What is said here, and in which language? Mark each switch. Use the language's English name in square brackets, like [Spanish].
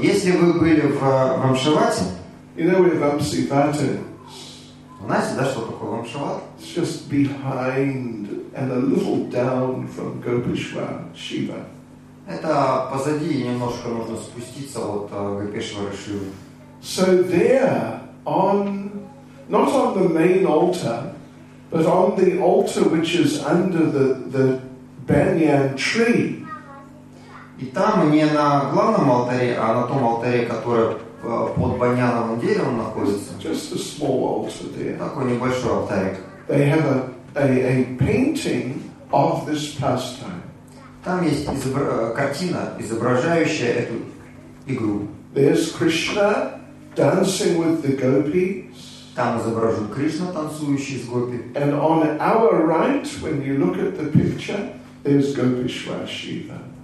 [Russian] Если вы были в Вамшивате. [English] You know where Vamsi that is. [Russian] Знаете, да, что такое Вамшават? [English] It's just behind and a little down from Gopeshwar Shiva. [Russian] Это позади, немножко нужно спуститься от Гопешвара Шивы. [English] So there, on not on the main altar, but on the altar which is under the banyan tree. [Russian] И там не на главном алтаре, а на том алтаре, который под баньяновым деревом находится. [English] Just a small altar there. [Russian] Такой небольшой алтарик. [English] They have a painting of this pastime. [Russian] Там есть картина, изображающая эту игру. [English] There's Krishna dancing with the gopis. [Russian] Там изображен Кришна, танцующий с гопи. [English] And on our right, when you look at the picture, there's Gopeshwar Shiva.